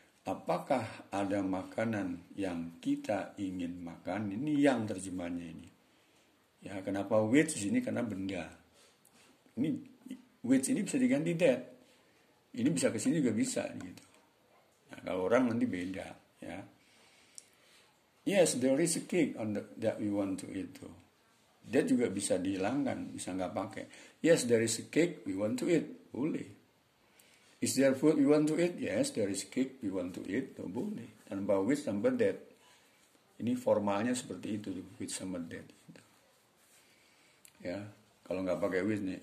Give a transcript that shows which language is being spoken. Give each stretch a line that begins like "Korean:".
Indonesian: Apakah ada makanan yang kita ingin makan? Ini yang terjemahnya ini. Ya, kenapa which ini? Karena benda. Ini which ini bisa diganti that. Ini bisa ke sini juga bisa gitu. Nah, kalau orang nanti beda, ya.
English: Yes, there is a cake on the, that we want to eat too.
Indonesian: That juga bisa dihilangkan, bisa enggak pakai.
English: Yes, there is a cake we want to eat.
Indonesian: Boleh.
English: Is there food we want to eat? Yes, there is a cake we want to eat.
Indonesian: Tuh, boleh. Tanpa which sama that. Ini formalnya seperti itu, which sama that. Gitu. Ya. Kalau enggak pakai which nih.